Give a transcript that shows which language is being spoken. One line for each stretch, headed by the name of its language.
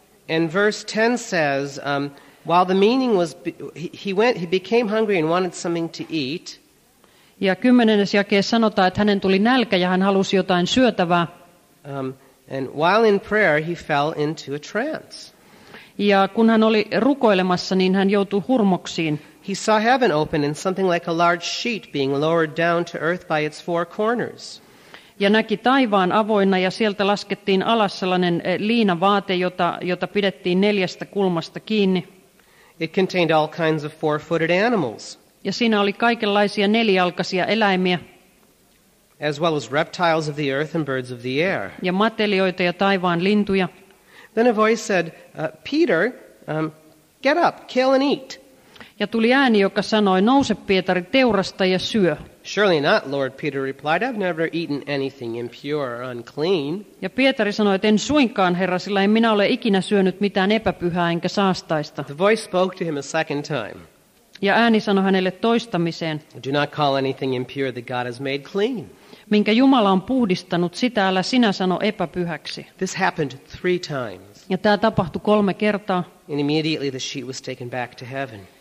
English: And verse 10 says while the meaning was he became hungry and wanted something to eat.
Finnish: Ja 10. jakeessa sanotaan, että hänen tuli nälkä ja hän halusi jotain syötävää.
English: And while in prayer he fell into a trance.
Finnish: Ja kun hän oli rukoilemassa, niin hän joutui hurmoksiin.
English: He saw heaven open and something like a large sheet being lowered down to earth by its four corners.
Finnish: Ja näki taivaan avoinna ja sieltä laskettiin alas sellainen liinavaate, jota pidettiin neljästä kulmasta kiinni.
English: It contained all kinds of four-footed animals.
Finnish: Ja siinä oli kaikenlaisia nelijalkaisia eläimiä.
English: As well as reptiles of the earth and birds of the air.
Finnish: Ja matelioita ja taivaan lintuja.
English: Then a voice said, Peter, get up, kill and eat.
Finnish: Ja tuli ääni, joka sanoi, nouse Pietari, teurasta ja syö.
English: Surely not, Lord, Peter replied. I've never eaten anything impure or unclean.
Finnish: Ja Pietari sanoi, en suinkaan, Herra, sillä en minä ole ikinä syönyt mitään epäpyhää enkä saastaista.
English: The voice spoke to him a second time.
Finnish: Ja ääni sanoi hänelle toistamiseen.
English: Do not call anything impure that God has made clean.
Finnish: Minkä Jumala on puhdistanut, sitä älä sinä sano epäpyhäksi.
English: This happened three times.
Finnish: Ja tämä tapahtui 3 kertaa.
English: And immediately the sheet was taken back to heaven.